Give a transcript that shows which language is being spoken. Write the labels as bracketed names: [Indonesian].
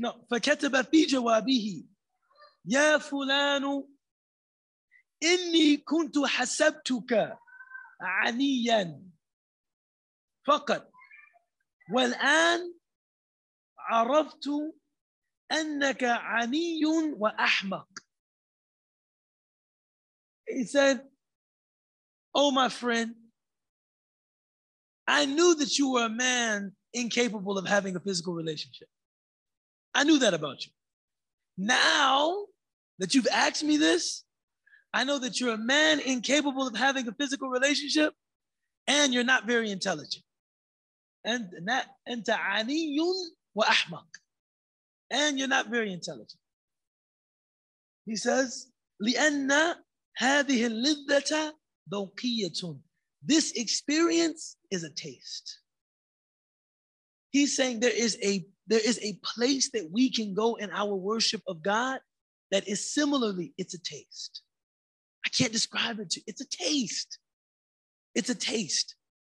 [Arabic] فكتب في جوابه يا فلان إني كنت حسبتك عنياً فقط. والآن عرفت أنك عني وأحمق. [English] He said, oh my friend, I knew that you were a man incapable of having a physical relationship. I knew that about you. Now that you've asked me this, I know that you're a man incapable of having a physical relationship and you're not very intelligent. And that [Arabic] anta aniyun wa ahmaq. [English] And you're not very intelligent. [Arabic] He says, لِأَنَّ هَذِهِ اللِّذَّةَ ذَوْقِيَّةٌ. [English] This experience is a taste. He's saying there is a place that we can go in our worship of God that is similarly, it's a taste. I can't describe it to you. It's a taste. It's a taste.